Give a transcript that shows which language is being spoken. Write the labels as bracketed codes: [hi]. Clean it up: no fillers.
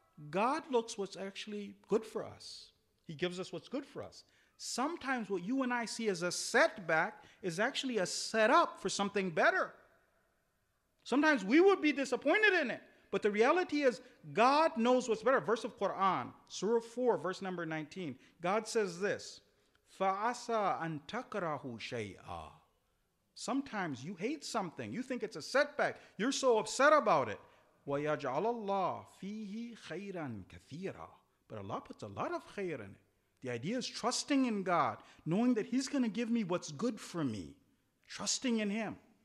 [en] God looks what's actually good for us. He gives us what's good for us. Sometimes what you and I see as a setback is actually a setup for something better. Sometimes we would be disappointed in it, But the reality is, God knows what's better. Verse of Quran, Surah 4, verse number 19. God says this, [ar] فَعَسَىٰ أَن تَكْرَهُ شَيْئًا. [en] Sometimes you hate something. You think it's a setback. You're so upset about it. [ar] وَيَجْعَلَ اللَّهُ فِيهِ خَيْرًا كَثِيرًا. [en] But Allah puts a lot of khayr in it. The idea is trusting in God, knowing that He's going to give me what's good for me. Trusting in Him.